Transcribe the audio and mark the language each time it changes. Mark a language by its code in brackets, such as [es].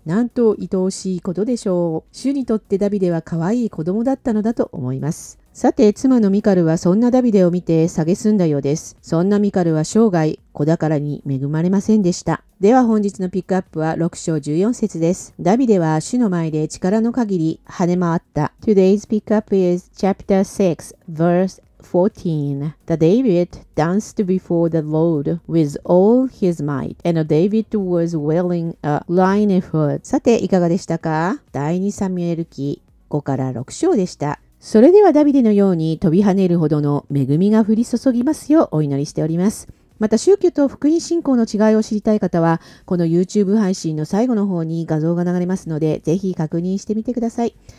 [ja] なんと愛おしいことでしょう。主にとってダビデは可愛い子供だったのだと思います。さて、妻のミカルはそんなダビデを見て蔑んだようです。そんなミカルは生涯、子宝に恵まれませんでした。では本日のピックアップは6章14節です。ダビデは主の前で力の限り跳ね回った。 [en] Today's pick up is chapter 6, verse 14. The David danced before the Lord with all his might, and David was wearing a linen hood. [ja] さて、いかがでしたか？第2サミュエル記5から6章でした。それではダビデのように飛び跳ねるほどの恵みが降り注ぎますようお祈りしております。また宗教と福音信仰の違いを知りたい方は、この YouTube 配信の最後の方に画像が流れますので、ぜひ確認してみてください。